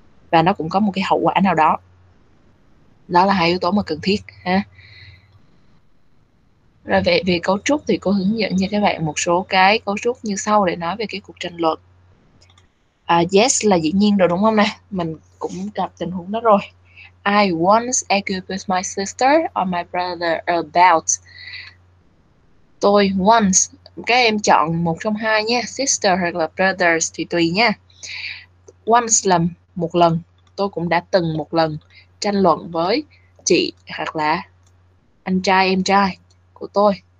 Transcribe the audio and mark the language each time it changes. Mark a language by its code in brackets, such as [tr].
[vi] Và nó cũng có một cái hậu quả nào đó. Đó là hai yếu tố mà cần thiết ha. Rồi về về cấu trúc thì cô hướng dẫn cho các bạn một số cái cấu trúc như sau để nói về cái cuộc tranh luận. Yes là dĩ nhiên rồi đúng không nè? Mình cũng gặp tình huống đó rồi. [en] I once argued with my sister or my brother about. [vi] Tôi once, các em chọn một trong hai nha, sister hoặc là brothers thì tùy nha. Once là một lần, tôi cũng đã từng một lần tranh luận với chị hoặc là anh trai em trai của tôi.